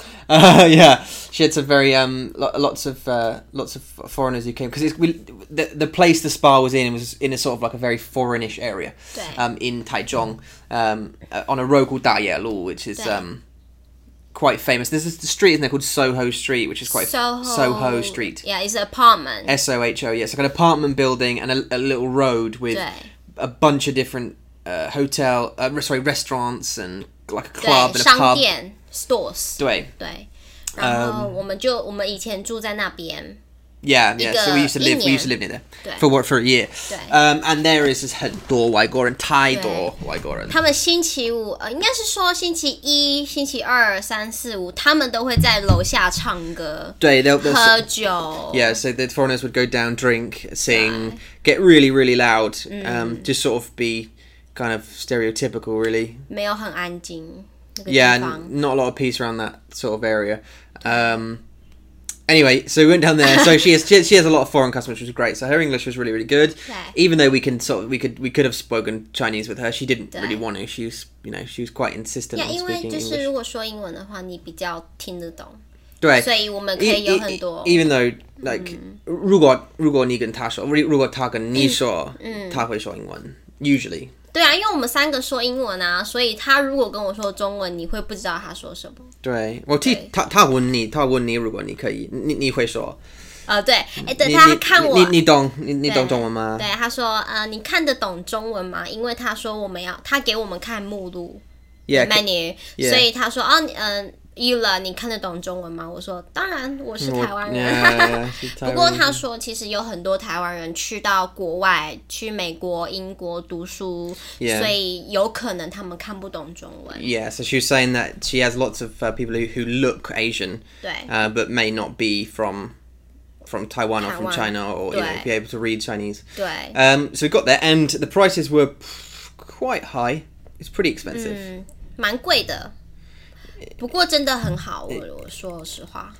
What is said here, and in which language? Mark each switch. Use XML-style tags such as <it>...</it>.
<en>Yeah, she had some very lots of foreigners who came because the place the spa was in was in a sort of like a very foreignish area, in Taichung, on a road called Daya Lu, which is quite famous. There's a street in there called Soho Street, which is quite Soho Street. Yeah, it's an apartment. S O H O. Yes, like an apartment building and a little road with a bunch of different restaurants and like a club and a pub. Stores</en> <zh>对对，然后我们以前住在那边，</zh> <en>Yeah. So we used to live. We used to live near there for a year.</en> <zh>对。</zh> <en>And there is</en> <zh>很多外国人，太多外国人。他们星期五，应该是说星期一、星期二、三四五，他们都会在楼下唱歌。对，喝酒。</zh> <en>Yeah, so the foreigners would go down, drink, sing, get really, really loud. Just sort of be kind of stereotypical, really.</en> <zh>没有很安静。</zh> <en>Yeah, not a lot of peace around that sort of area. Anyway, so we went down there. So she has a lot of foreign customers, which was great. So her English was really, really good. Even though we could have spoken Chinese with her, she didn't really want to. She was quite insistent on speaking English.</en> <zh>Yeah, 因为就是如果说英文的话，你比较听得懂。对，所以我们可以有很多。</zh> <en>Even though, like,</en> <zh>如果你跟她说，如果她跟你说，她会说英文</zh> <en>usually.</en> <zh>对啊，因为我们三个说英文啊，所以他如果跟我说中文，你会不知道他说什么。对，我替他问你，他问你，如果你可以，你会说。对，等他看我，你懂中文吗？对，他说，你看得懂中文吗？因为他说他给我们看目录 ，menu， 所以他说，Ella， 你看得懂中文吗？我说当然，我是台湾人。</zh> <en>Yeah,</en> <zh>不过他说，其实有很多台湾人去到国外，去美国、英国读书，</zh> <en>yeah.</en> <zh>所以有可能他们看不懂中文。</zh> <en>Yeah, so she was saying that she has lots of people who look Asian, but may not be from Taiwan or from China or you know, be able to read Chinese.</en> <zh>对。</zh> <en>So we got there, and the prices were quite high. It's pretty expensive.</en> <zh>蛮贵的。不过真的很好，我说实话。</zh>